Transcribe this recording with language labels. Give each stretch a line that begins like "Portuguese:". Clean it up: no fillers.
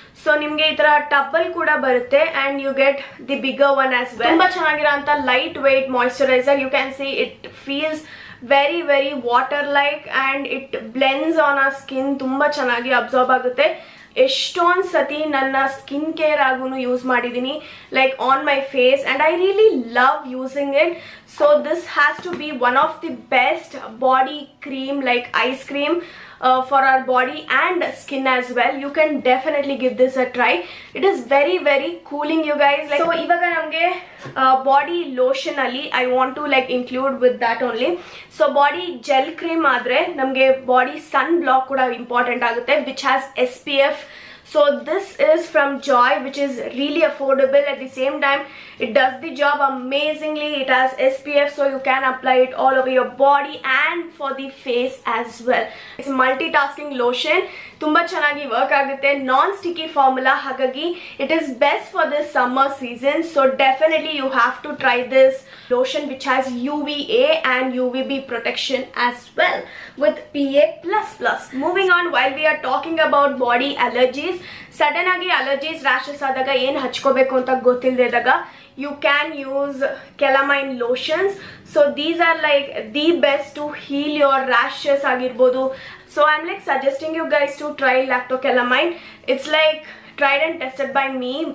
English: So
Kannada: nimge itra tubble kuda barutte
English: and you get the bigger one as well.
Kannada: Tumba chanagiranta
English: lightweight moisturizer, you can see it feels very very water like and it blends on our skin.
Kannada: Tumba chanagi absorb agutte. ಎಷ್ಟೊಂದು ಸತಿ ನನ್ನ skin care ಆಗೂ use ಮಾಡಿದ್ದೀನಿ
English: Like on my face and I really love using it. So this has to be one of the best body cream, like ice cream for our body and skin as well. You can definitely give this a try. It is very very cooling you guys. Like
Kannada: ಇವಾಗ ನಮಗೆ body lotion ಅಲ್ಲಿ
English: I want to like include with that only.
Kannada: So body gel cream ಆದರೆ ನಮಗೆ body ಸನ್ block ಕೂಡ important ಆಗುತ್ತೆ,
English: Which has SPF. So this is from Joy, which is really affordable. At the same time, it does the job amazingly. It has SPF, so you can apply it all over your body and for the face as well. It's a multitasking lotion.
Kannada: Tumba chanagi work agutte,
English: non-sticky formula. Hagagi it is best for this summer season. So definitely you have to try this lotion, which has UVA and UVB protection as well with PA++. Moving on, while we are talking about body allergies,
Kannada: sudden ಆಗಿ allergies, rashes ಆದಾಗ ಏನು ಹಚ್ಕೋಬೇಕು ಅಂತ ಗೊತ್ತಿಲ್ಲದಾಗ
English: You can use calamine lotions. So these are like the best to heal your rashes ಆಗಿರ್ಬೋದು. So I am like suggesting you guys to try Lacto Calamine. It's like tried and tested by me.